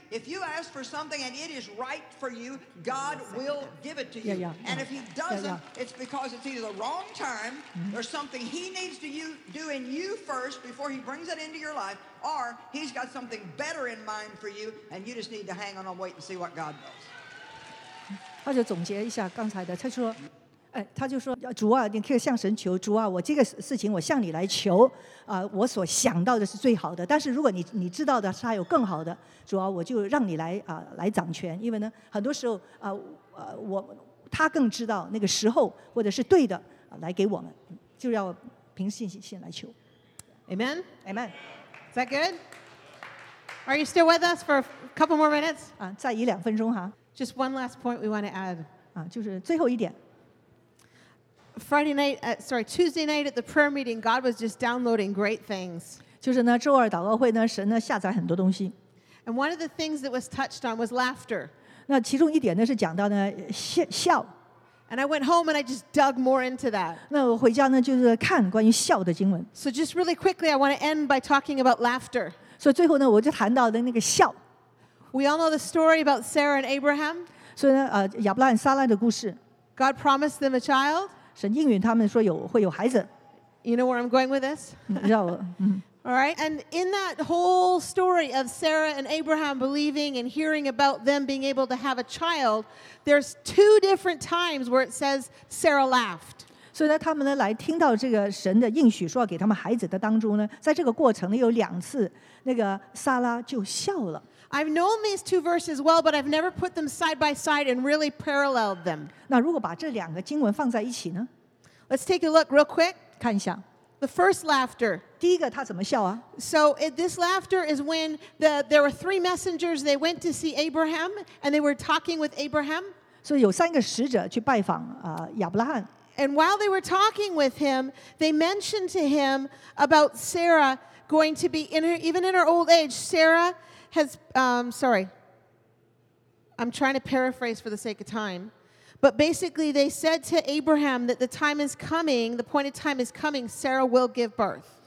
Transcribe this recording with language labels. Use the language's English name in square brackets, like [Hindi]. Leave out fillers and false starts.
[English] If you ask for something and it is right for you, God will give it to you. And if he doesn't, it's because it's either the wrong time or something he needs to do in you first before he brings it into your life, or he's got something better in mind for you and you just need to hang on and wait and see what God does. [Chinese] 他就总结一下刚才的，他说，哎，他就说，主啊，你可以向神求，主啊，我这个事情我向你来求，啊，我所想到的是最好的，但是如果你知道的是他有更好的，主啊，我就让你来啊来掌权，因为呢，很多时候啊，他更知道那个时候或者是对的、啊、来给我们，就要凭信心来求。 [English] Amen, amen. Is that good? Are you still with us for a couple more minutes? [Chinese] 啊，再一两分钟哈。 [English] Just one last point we want to add. [Chinese] 啊，就是最后一点。 [English] Friday night, Tuesday night at the prayer meeting, God was just downloading great things. [Chinese] 就是呢，周二祷告会呢，神呢下载很多东西。 [English] And one of the things that was touched on was laughter. [Chinese] 那其中一点呢是讲到呢笑。 [English] And I went home and I just dug more into that. [Chinese] 那我回家呢就是看关于笑的经文。 [English] So just really quickly, I want to end by talking about laughter. [Chinese] 所以最后呢，我就谈到的那个笑。 [English] We all know the story about Sarah and Abraham. [Chinese] 所以呢，亚伯拉罕、撒拉的故事。 [English] God promised them a child. [Chinese] 神应允他们说会有孩子。 [English] You know where I'm going with this? [Chinese] 你知道我。 [English] All right. And in that whole story of Sarah and Abraham believing and hearing about them being able to have a child, there's two different times where it says Sarah laughed. [Chinese] 所以呢，他们呢来听到这个神的应许说要给他们孩子的当中呢，在这个过程呢有两次，那个撒拉就笑了。 [English] I've known these two verses well, but I've never put them side by side and really paralleled them. [Chinese] 那如果把这两个经文放在一起呢？ [English] Let's take a look real quick. [Chinese] 看一下。 [English] The first laughter. [Chinese] 第一个他怎么笑啊？ [English] So this laughter is when there were three messengers. They went to see Abraham and they were talking with Abraham. [Chinese] 所以有三个使者去拜访亚伯拉罕。 [English] And while they were talking with him, they mentioned to him about Sarah going to be in her, even in her old age, Sarah. I'm trying to paraphrase for the sake of time. But basically, they said to Abraham that the time is coming, the point of time is coming, Sarah will give birth.